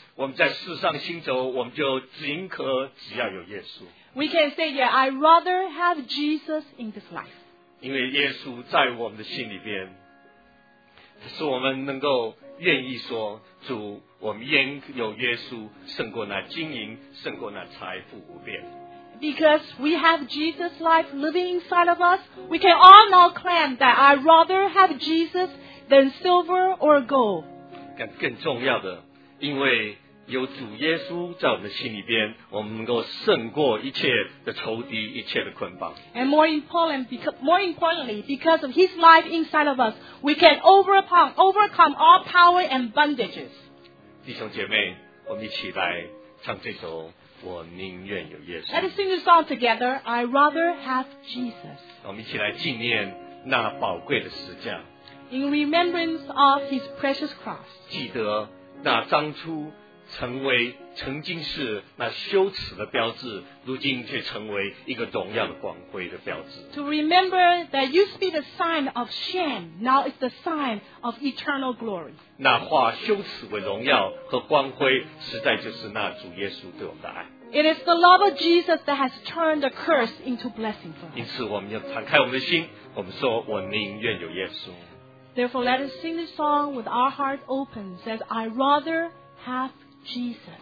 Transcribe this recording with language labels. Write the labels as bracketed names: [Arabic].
[Chinese] 我们在世上行走我们就尽可只要有耶稣 [English] We can say, yeah, I'd rather have Jesus in this life [Chinese] 因为耶稣在我们的心里边使我们能够愿意说主我们愿有耶稣胜过那金银胜过那财富无边 [English] Because we have Jesus' life living inside of us, we can all now claim that I'd rather have Jesus than silver or gold. [Chinese] 更重要的，因为有主耶稣在我们心里边，我们能够胜过一切的仇敌，一切的捆绑。 [English] And more importantly, because of His life inside of us, we can overcome all power and bondages. [Chinese] 弟兄姐妹，我们一起来唱这首。我宁愿有耶稣 [English] Let us sing this song together I'd rather have Jesus [Chinese] 我们一起来纪念那宝贵的十字架 [English] In remembrance of his precious cross [Chinese] 记得那当初曾经是那羞耻的标志如今却成为一个荣耀的光辉的标志 [English] To remember that used to be the sign of shame Now it's the sign of eternal glory [Chinese] 那化羞耻为荣耀和光辉实在就是那主耶稣对我们的爱 [English] It is the love of Jesus that has turned the curse into blessing for us [Chinese] 因此我们要敞开我们的心我们说我宁愿有耶稣 [English] Therefore let us sing this song with our heart open says I'd rather haveJesus.